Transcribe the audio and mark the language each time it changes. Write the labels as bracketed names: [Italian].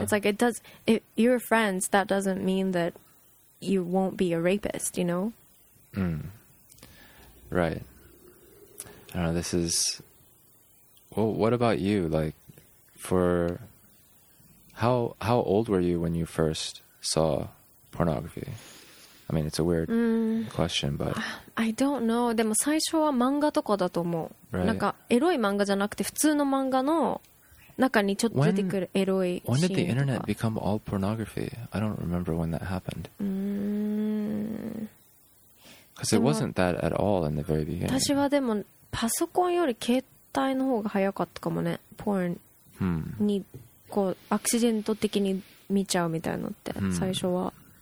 [English] It's like, if you're friends, that doesn't mean that you won't be a rapist, you know? Mm. Right. I don't know, this is... Well, what about you? Like, for... How old were you when you first saw pornography? I mean, it's a weird question, but... I don't know. [Japanese] でも最初は漫画とかだと思う。 [English] Right. [Japanese] なんか、エロい漫画じゃなくて普通の漫画の中にちょっと出てくるエロいシーンとか。 [English] When did the internet become all pornography? I don't remember when that happened. Because it wasn't that at all in the very beginning. [Japanese] 私はでもパソコンより携帯の方が早かったかもね。 Porn にこうアクシデント的に見ちゃうみたいなのって最初は。